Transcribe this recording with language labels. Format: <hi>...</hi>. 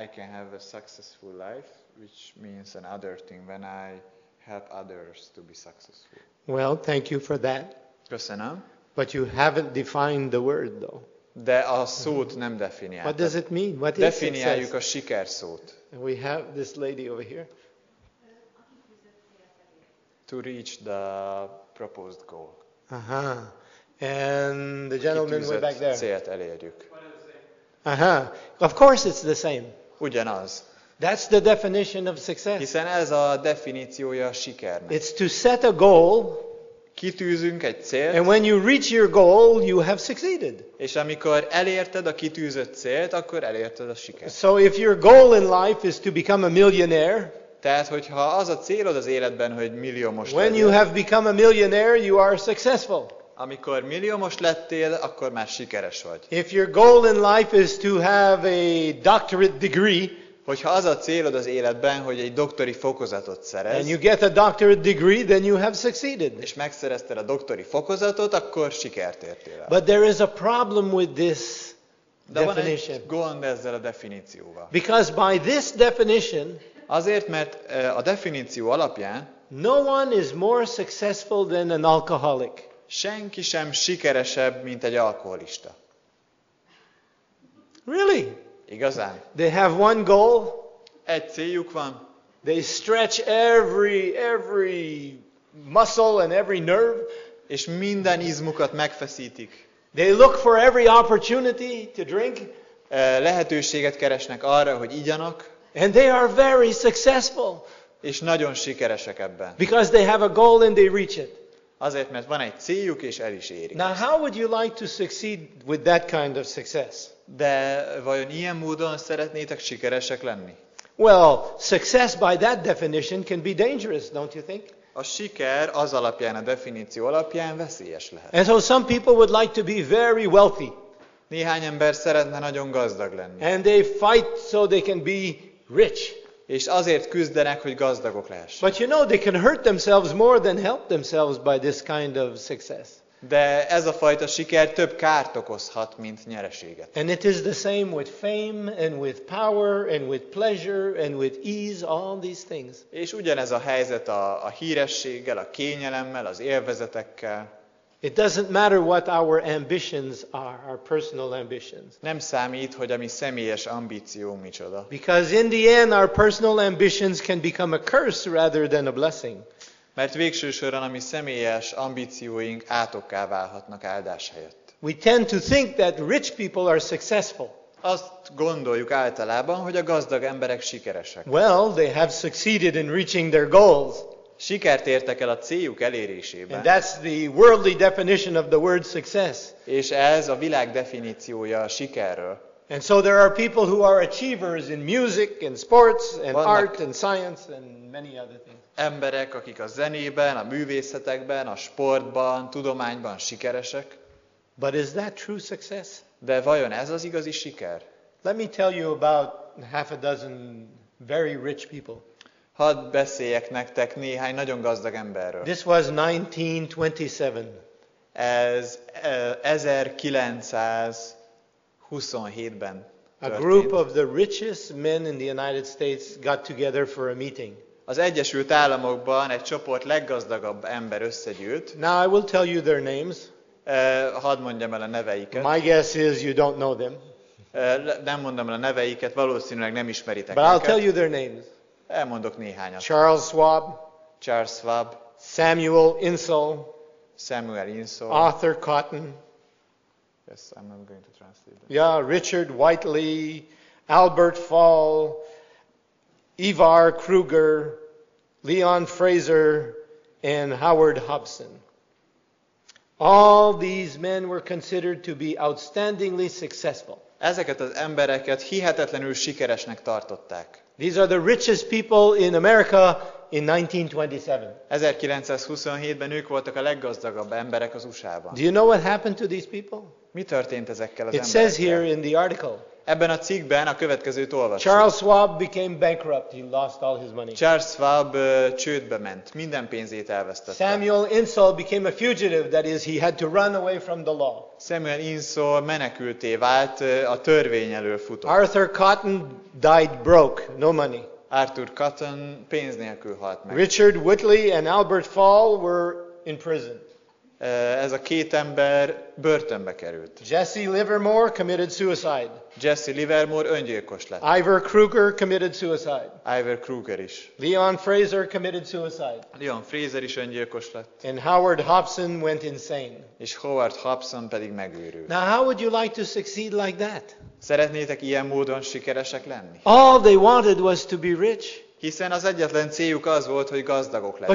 <en>I can have a successful life, which means another thing when I help others to be successful. Well, thank you for that.</en> <hu>Köszönöm.</hu> <en>But you haven't defined the word, though.</en> <hu>De a szót nem definiáltad.</hu> <en>What does it mean? What</en> <hu>definiáljuk a sikerszót.</hu> <en>And we have this lady over here. To reach the proposed goal. Uh-huh. And the gentleman way back there.</en> <hu>Célt elérjük.</hu> <en>Uh-huh. Of course it's the same.</en> <hu>Ugyanaz.</hu> <en>That's the definition of success.</en> <hu>Hiszen ez a definíciója a sikernek.</hu> <en>It's to set a goal.</en> <hu>Kitűzünk egy célt.</hu> <en>And when you reach your goal, you have succeeded.</en> <hu>És amikor elérted a kitűzött célt, akkor elérted a sikert.</hu> <en>So if your goal in life is to become a millionaire,</en> <hu>tehát hogyha az a célod az életben, hogy milliómos legyél.</hu> <en>When you have become a millionaire, you are successful.</en> <hu>Amikor milliómos lettél, akkor már sikeres vagy.</hu> <en>If your goal in life is to have a doctorate degree,</en> <hu>hogyha az a célod az életben, hogy egy doktori fokozatot szerez,</hu> <en>and you get a doctorate degree, then you have succeeded.</en> <hu>És megszerezted a doktori fokozatot, akkor sikert értél el.</hu> <en>But there is a problem with this definition.</en> <hu>De van egy gond ezzel a definícióval.</hu> <en>Because by this definition,</en> <hu>azért, mert a definíció alapján,</hu> <en>no one is more successful than an alcoholic.</en> <hu>Senki sem sikeresebb, mint egy alkoholista.</hu> <en>Really?</en> <hu>Igazán.</hu> <en>They have one goal.</en> <hu>Egy céljuk van.</hu> <en>They stretch every muscle and every nerve.</en> <hu>És minden izmukat megfeszítik.</hu> <en>They look for every opportunity to drink.</en> <hu>Lehetőséget keresnek arra, hogy igyanak.</hu> <en>And they are very successful.</en> <hu>És nagyon sikeresek ebben.</hu> <en>Because they have a goal and they reach it.</en> <hu>Azért, mert van egy céljuk, és el is érik.</hu> <en>Now, how would you like to succeed with that kind of success?</en> <hu>De vajon ilyen módon szeretnétek sikeresek lenni?</hu> <en>Well, success by that definition can be dangerous, don't you think?</en> <hu>A siker az alapján, a definíció alapján veszélyes lehet.</hu> <en>And so some people would like to be very wealthy.</en> <hu>Néhány ember szeretne nagyon gazdag lenni.</hu> <en>And they fight so they can be rich.</en> <hu>És azért küzdenek, hogy gazdagok lehessenek.</hu> <en>But you know, they can hurt themselves more than help themselves by this kind of success.</en> <hu>De ez a fajta siker több kárt okozhat, mint nyereséget.</hu> <en>And it is the same with fame and with power and with pleasure and with ease, all these things.</en> <hu>És ugyanez a helyzet a hírességgel, a kényelemmel, az élvezetekkel.</hu> <en>It doesn't matter what our ambitions are, our personal ambitions.</en> <hu>Nem számít, hogy a mi személyes ambíció micsoda.</hu> <en>Because in the end, our personal ambitions can become a curse rather than a blessing.</en> <hu>Mert végső soron a mi személyes ambícióink átokká válhatnak áldás helyett.</hu> <en>We tend to think that rich people are successful.</en> <hu>Azt gondoljuk általában, hogy a gazdag emberek sikeresek.</hu> <en>Well, they have succeeded in reaching their goals.</en> <hu>Sikert értek el a céljuk elérésében.</hu> <en>And that's the worldly definition of the word success.</en> <hu>És ez a világ definíciója a sikerről.</hu> <en>And so there are people who are achievers in music and sports and</en> <hu>vannak</hu> <en>art and science and many other things.</en> <hu>Emberek, akik a zenében, a művészetekben, a sportban, tudományban sikeresek.</hu> <en>But is that true success?</en> <hu>De vajon ez az igazi siker?</hu> <en>Let me tell you about half a dozen very rich people.</en> <hu>Hadd beszéljek nektek néhány nagyon gazdag emberről.</hu> <en>This was 1927.</en> <hu>Ez 1927-ben történt.</hu> <en>A group of the richest men in the United States got together for a meeting.</en> <hu>Az Egyesült Államokban egy csoport leggazdagabb ember összegyűlt.</hu> <en>Now I will tell you their names.</en> <hu>Hadd mondjam el a neveiket.</hu> <en>My guess is you don't know them.</en> <hu>Nem mondom el a neveiket, valószínűleg nem ismeritek</hu> <en>But</en> <hu>őket.</hu> <en>I'll tell you their names.</en> <hu>Elmondok néhányat.</hu> <en>Charles Schwab. Samuel Insull. Arthur Cotton. Yes, I'm not going to translate that. Yeah, Richard Whiteley, Albert Fall, Ivar Kruger, Leon Fraser, and Howard Hobson. All these men were considered to be outstandingly successful.</en> <hu>Ezeket az embereket hihetetlenül sikeresnek tartották.</hu> <en>These are the richest people in America in 1927.</en> <hu>1927-ben ők voltak a leggazdagabb emberek az USA-ban.</hu> <en>Do you know what happened to these people?</en> <hu>Mi történt ezekkel az emberekkel?</hu> <en>It says here in the article.</en> <hu>Ebben a cikkben a következőt olvassuk.</hu> <en>Charles Schwab became bankrupt. He lost all his money.</en> <hu>Charles Schwab csődbe ment. Minden pénzét elvesztette.</hu> <en>Samuel Insull became a fugitive, that is, he had to run away from the law.</en> <hu>Samuel Insull menekülté vált, a törvény elől futott.</hu> <en>Arthur Cotton died broke, no money.</en> <hu>Arthur Cotton pénz nélkül halt meg.</hu> <en>Richard Whitley and Albert Fall were in prison.</en> <hu>Ez a két ember börtönbe került.</hu> <en>Jesse Livermore committed suicide.</en> <hu>Jesse Livermore öngyilkos lett.</hu> <en>Ivor Kruger committed suicide.</en> <hu>Ivor Kruger is.</hu> <en>Leon Fraser committed suicide.</en> <hu>Leon Fraser is öngyilkos lett.</hu> <en>And Howard Hobson went insane.</en> <hu>És Howard Hobson pedig megőrült.</hu> <en>Now how would you like to succeed like that?</en> <hu>Szeretnétek ilyen módon sikeresek lenni?</hu> <en>All they wanted was to be rich.</en> <hu>Hiszen az egyetlen céljuk az volt, hogy gazdagok legyenek.</hu>